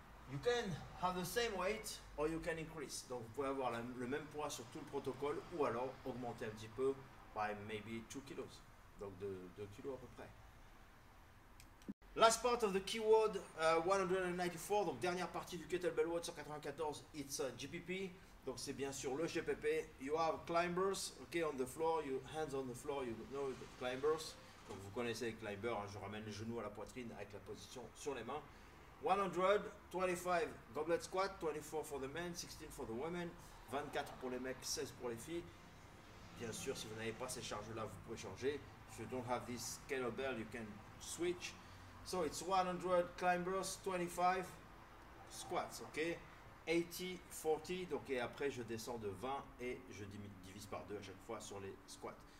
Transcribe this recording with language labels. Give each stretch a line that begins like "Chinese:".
English: You can have the same weight or you can increase.
French: Donc vous pouvez avoir le même poids sur tout le protocole ou alors augmenter un petit peu
English: by maybe 2 kilos.
French: Donc de 2 kilos à peu près.
English: Last part of the keyword 194,
French: donc dernière partie du kettlebell WOD 194,
English: it's a GPP,
French: donc c'est bien sûr le GPP.
English: You have climbers, ok, on the floor, you hands on the floor, you know the climbers.
French: Donc vous connaissez les climbers, hein, je ramène les genoux à la poitrine avec la position sur les mains. 125 goblet squat, 24 for the men, 16 for the women, 24 pour les mecs, 16 pour les filles. Bien sûr, si vous n'avez pas ces charges-là, vous pouvez changer.
English: If you don't have this kettlebell, you can switch. So it's 100 climbers, 25 squats, ok?
French: 80, 40, donc et après je descends de 20 et je divise par 2 à chaque fois sur les squats.